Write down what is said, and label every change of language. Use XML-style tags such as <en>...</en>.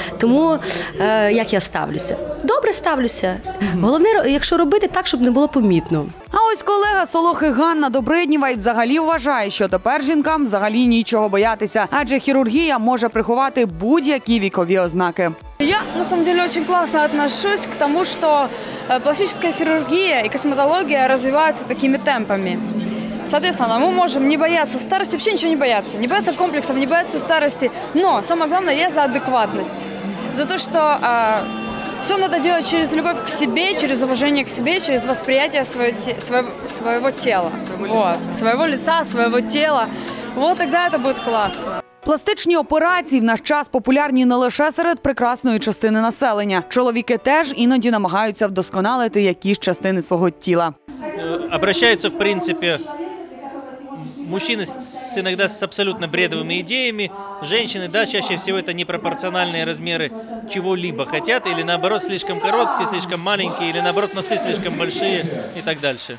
<uk>Тому як я ставлюся? Добре ставлюся. Головне, якщо робити так, щоб не було помітно. А ось колега Солохи Ганна Добриднєва і взагалі вважає, що тепер жінкам взагалі нічого боятися. Адже хірургія може приховати будь-які вікові ознаки.</uk> <ru>Я, на самом деле, очень классно отношусь к тому, что пластическая хирургия и косметология развиваются такими темпами. Соответственно, мы можем не бояться старости, вообще ничего не бояться. Не бояться комплексов, не бояться старости. Но самое главное, я за адекватность. За то, что все надо делать через любовь к себе, через уважение к себе, через восприятие своего тела. Вот. Своего лица, своего тела. Вот тогда это будет классно.</ru> <uk>Пластичні операції в наш час популярні не лише серед прекрасної частини населення. Чоловіки теж іноді намагаються вдосконалити якісь частини свого тіла. Обращаються, в принципі, мужчини іноді з абсолютно бредовими ідеями, жінки, да,</uk> <ru>чаще всего</ru> <uk>це непропорційні розміри чого-либо хочуть, або наоборот, слишком короткі, слишком маленькі, або наоборот, носи слишком великі і так далі.</uk>